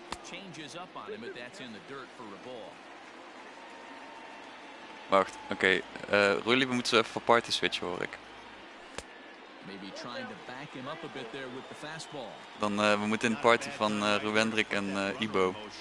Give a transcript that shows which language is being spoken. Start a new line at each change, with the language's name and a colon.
English: Changes up on him, but that's in the dirt for a ball.
Dutch: Wacht, oké. Rulli, we moeten ze even voor party switchen, hoor ik.
English: Maybe trying to back him up a bit there with the fastball.
Dutch: Dan we moeten in de party van Ruwendrik en Ibo.